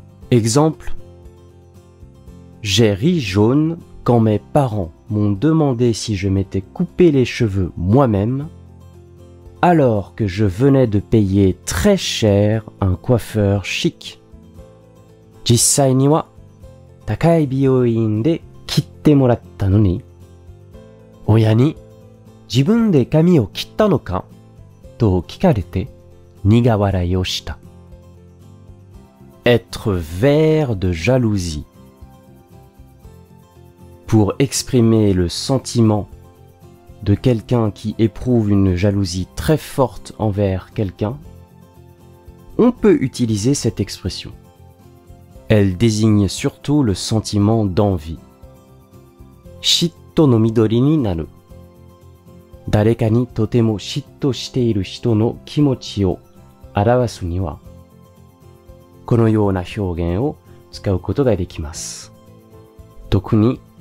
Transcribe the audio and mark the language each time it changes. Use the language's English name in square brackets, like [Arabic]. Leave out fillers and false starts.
[French] Exemple:J'ai ri jaune quand mes parents m'ont demandé si je m'étais coupé les cheveux moi-même, alors que je venais de payer très cher un coiffeur chic. [Japanese] 実際には、高い美容院で切ってもらったのに、親に自分で髪を切ったのかと聞かれて苦笑いをした。 [French] Être vert de jalousie. Pour exprimer le sentiment de quelqu'un qui éprouve une jalousie très forte envers quelqu'un, on peut utiliser cette expression. Elle désigne surtout le sentiment d'envie. [Japanese] 嫉妬の緑になる。誰かにとても嫉妬している人の気持ちを表すには、このような表現を使うことができます。特に